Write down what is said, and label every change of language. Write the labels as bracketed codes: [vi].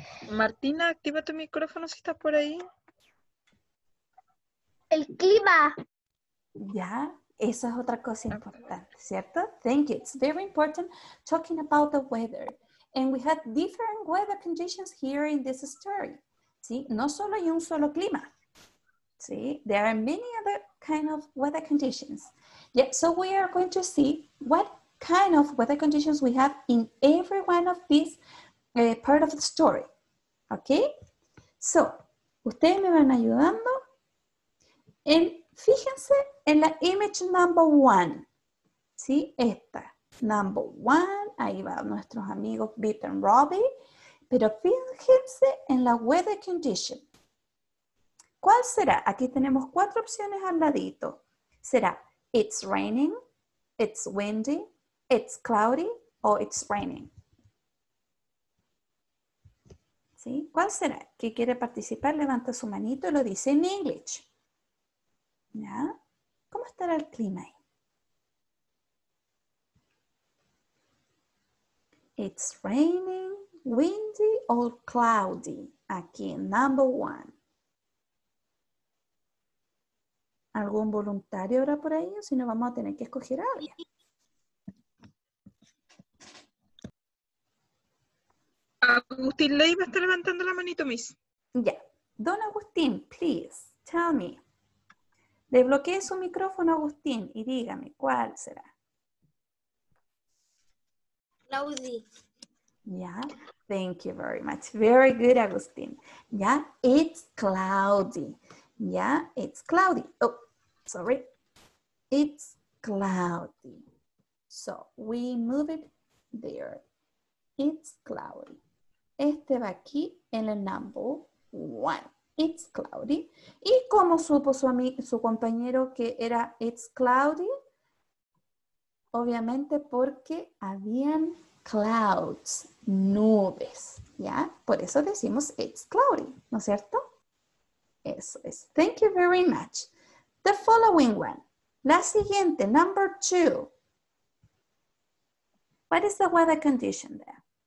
[es] Martina, activa tu micrófono si estás por ahí. El clima. Ya, eso es otra cosa importante, ¿cierto? [en] Thank you. It's very important talking about the weather. And we have different weather conditions here in this story. [es] ¿Sí? No solo hay un solo clima. ¿Sí? [en] There are many other kind of weather conditions. Yeah, so we are going to see what kind of weather conditions we have in every one of these part of the story. Okay? [es] So, ustedes me van ayudando. And fíjense en la [en] image number one. [es] ¿Sí? Esta. [en] Number one. [es] Ahí va nuestros amigos Beep and Robbie. Pero fíjense en la weather condition. ¿Cuál será? Aquí tenemos cuatro opciones al ladito. Será [en] it's raining, it's windy, it's cloudy, o it's raining. [es] ¿Sí? ¿Cuál será? ¿Quién quiere participar? Levanta su manito y lo dice en English. ¿Ya? ¿Cómo estará el clima ahí? [en] It's raining, windy, or cloudy. [es] Aquí, [en] number one. [es] ¿Algún voluntario habrá por ahí? O si no, vamos a tener que escoger a alguien. Agustín Leiva está levantando la manito, Miss. Ya. [en] Don Agustín, please, tell me. [es] Desbloquee su micrófono, Agustín, y dígame, ¿cuál será? [en] Cloudy. Ya. Thank you very much. Very good, Agustín. Ya. It's cloudy. Ya. It's cloudy. Oh. Sorry, it's cloudy. So, we move it there. It's cloudy. [es] Este va aquí en el number one. [en] It's cloudy. [es] ¿Y cómo supo su compañero que era [en] it's cloudy? [es] Obviamente porque habían clouds, nubes. ¿Ya? Por eso decimos [en] it's cloudy, [es] ¿no es cierto? Eso es. [en] Thank you very much. The following one. [es] La siguiente, [en] number two. What is the weather condition there?